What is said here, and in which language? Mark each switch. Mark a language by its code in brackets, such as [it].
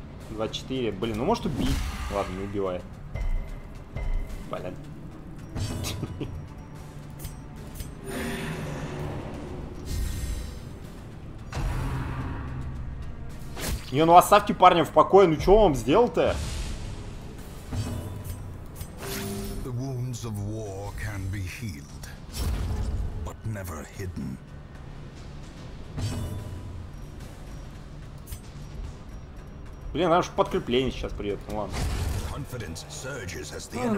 [ru] 24. Блин, ну может убить. Ладно, не убивай. Блин. [en] Thank you. [ru] Не, ну оставьте парня в покое, ну что вам сделал-то? [en] The wounds of war can be healed, but never hidden. [ru] Блин, нам же подкрепление сейчас придет, ну ладно.